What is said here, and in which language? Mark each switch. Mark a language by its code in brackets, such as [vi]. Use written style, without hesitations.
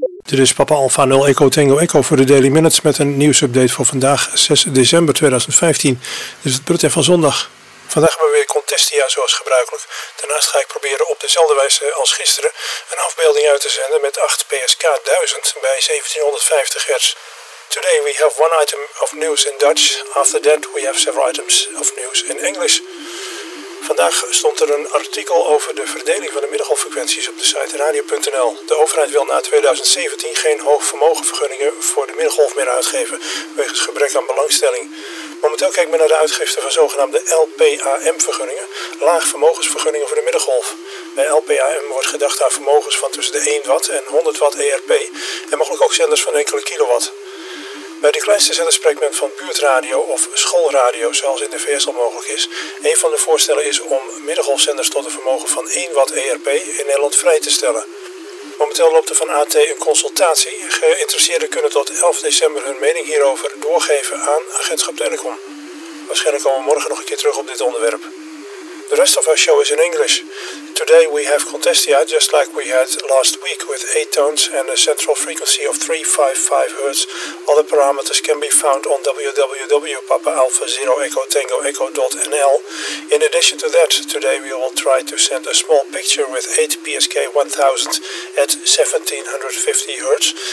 [nl] Dit is Papa Alpha 0 Echo Tango Echo voor de Daily Minutes met een nieuwsupdate voor vandaag 6 december 2015. Dit is het bulletin van zondag. Vandaag hebben we weer Contestia zoals gebruikelijk. Daarnaast ga ik proberen op dezelfde wijze als gisteren een afbeelding uit te zenden met 8 PSK 1000 bij 1750 Hz. [en] Today we have one item of news in Dutch. After that we have several items of news in English. [nl] Vandaag stond er een artikel over de verdeling van de middengolffrequenties op de site radio.nl. De overheid wil na 2017 geen hoogvermogenvergunningen voor de middengolf meer uitgeven, wegens gebrek aan belangstelling. Momenteel kijkt men naar de uitgifte van zogenaamde LPAM-vergunningen, laagvermogensvergunningen voor de middengolf. Bij LPAM wordt gedacht aan vermogens van tussen de 1 watt en 100 watt ERP en mogelijk ook zenders van enkele kilowatt. Bij de kleinste zenders spreekt men van buurtradio of schoolradio zoals in de VS al mogelijk is. Een van de voorstellen is om middengolfzenders tot een vermogen van 1 watt ERP in Nederland vrij te stellen. Momenteel loopt er van AT een consultatie. Geïnteresseerden kunnen tot 11 december hun mening hierover doorgeven aan Agentschap Telecom. Waarschijnlijk komen we morgen nog een keer terug op dit onderwerp. [en] The rest of our show is in English. Today we have Contestia, just like we had last week, with 8 tones and a central frequency of 355 Hz. Other parameters can be found on www.papaalpha0echotangoecho.nl. In addition to that, today we will try to send a small picture with 8 PSK 1000 at 1750 Hz.